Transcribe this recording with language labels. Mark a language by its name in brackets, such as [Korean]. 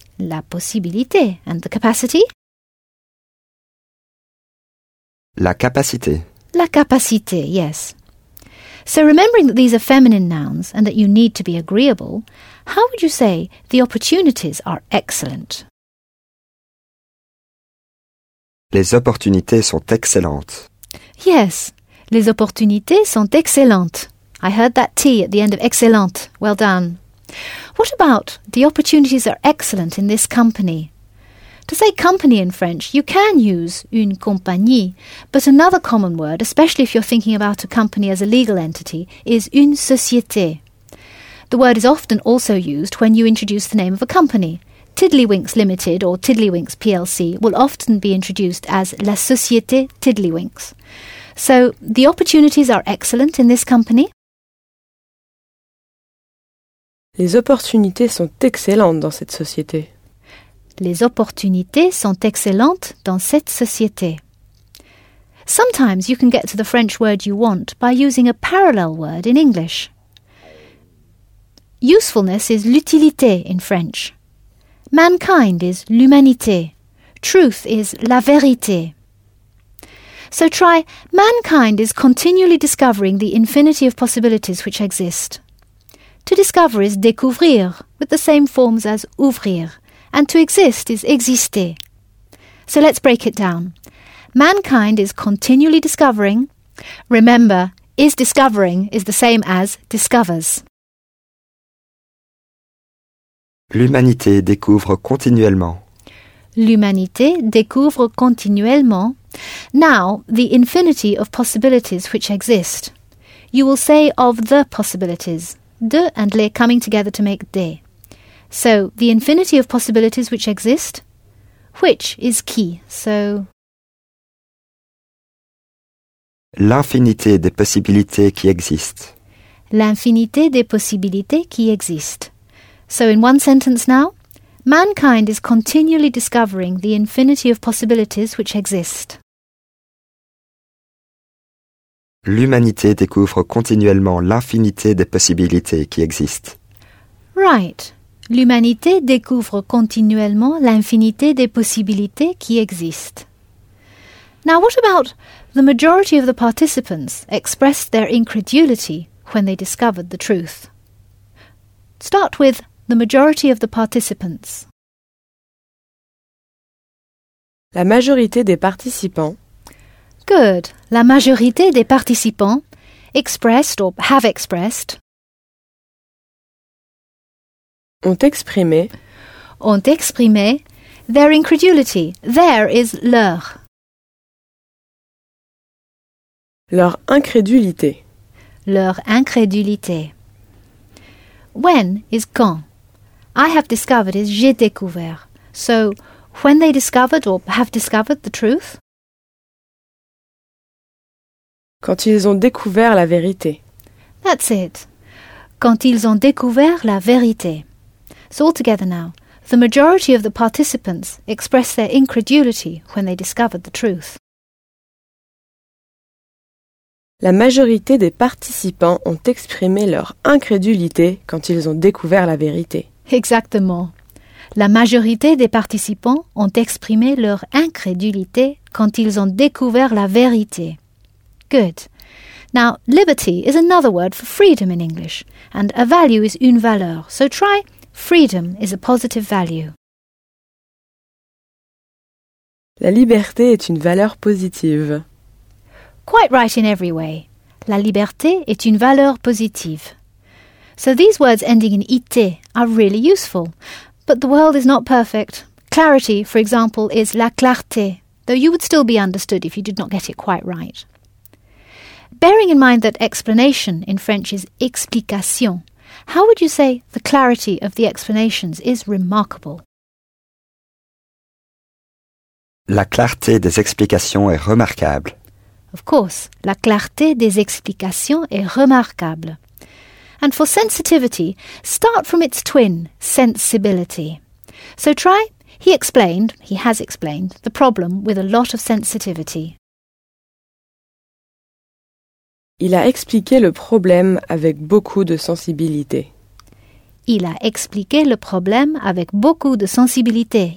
[French] La possibilité. [English] And the capacity? [French] La capacité. La capacité, yes. [English] So remembering that these are feminine nouns and that you need to be agreeable, how would you say the opportunities are excellent? [French] Les opportunités sont excellentes. Yes, les opportunités sont excellentes. [English] I heard that T at the end of excellente. Well done. What about the opportunities are excellent in this company? To say company in French, you can use une compagnie, but another common word, especially if you're thinking about a company as a legal entity, is une société. The word is often also used when you introduce the name of a company. Tiddlywinks Limited or Tiddlywinks PLC will often be introduced as la société Tiddlywinks. So, the opportunities are excellent in this company? [French] Les opportunités sont excellentes dans cette société. Les opportunités sont excellentes dans cette société. [English] Sometimes you can get to the French word you want by using a parallel word in English. Usefulness is l'utilité in French. Mankind is l'humanité. Truth is la vérité. So try, mankind is continually discovering the infinity of possibilities which exist. To discover is découvrir, with the same forms as ouvrir, and to exist is exister. So let's break it down. Mankind is continually discovering. Remember, is discovering is the same as discovers. [French] L'humanité découvre continuellement. L'humanité découvre continuellement. [English] Now, the infinity of possibilities which exist. You will say of the possibilities. De and les coming together to make des. So, the infinity of possibilities which exist. Which is qui? So, [French] l'infinité des possibilités qui existent. L'infinité des possibilités qui existent. [English] So in one sentence now, mankind is continually discovering the infinity of possibilities which exist. [French] L'humanité découvre continuellement l'infinité des possibilités qui existent. [English] Right. [French] L'humanité découvre continuellement l'infinité des possibilités qui existent. [English] Now what about the majority of the participants expressed their incredulity when they discovered the truth? Start with the majority of the participants. [French] La majorité des participants. [English] Good. [French] La majorité des participants [English] expressed or have expressed. [French] Ont exprimé [English] their incredulity. There is leur. [French] Leur incrédulité. Leur incrédulité. [English] When is [French] quand. [English] I have discovered is [French] j'ai découvert. [English] So, when they discovered or have discovered the truth? [French] Quand ils ont découvert la vérité. [English] That's it. [French] Quand ils ont découvert la vérité. [English] So, altogether now, the majority of the participants express their incredulity when they discovered the truth. [French] La majorité des participants ont exprimé leur incrédulité quand ils ont découvert la vérité. Exactement. La majorité des participants ont exprimé leur incrédulité quand ils ont découvert la vérité. [English] Good. Now, liberty is another word for freedom in English, and a value is une valeur. So try, freedom is a positive value. [French] La liberté est une valeur positive. [English] Quite right in every way. [French] La liberté est une valeur positive. [English] So these words ending in ité are really useful. But the world is not perfect. Clarity, for example, is la clarté, though you would still be understood if you did not get it quite right. Bearing in mind that explanation in French is explication, how would you say the clarity of the explanations is remarkable? [French] La clarté des explications est remarquable. [English] Of course, [French] la clarté des explications est remarquable. [English] And for sensitivity, start from its twin, sensibility. So try, he has explained, the problem with a lot of sensitivity. [French] Il a expliqué le problème avec beaucoup de sensibilité. Il a expliqué le problème avec beaucoup de sensibilité.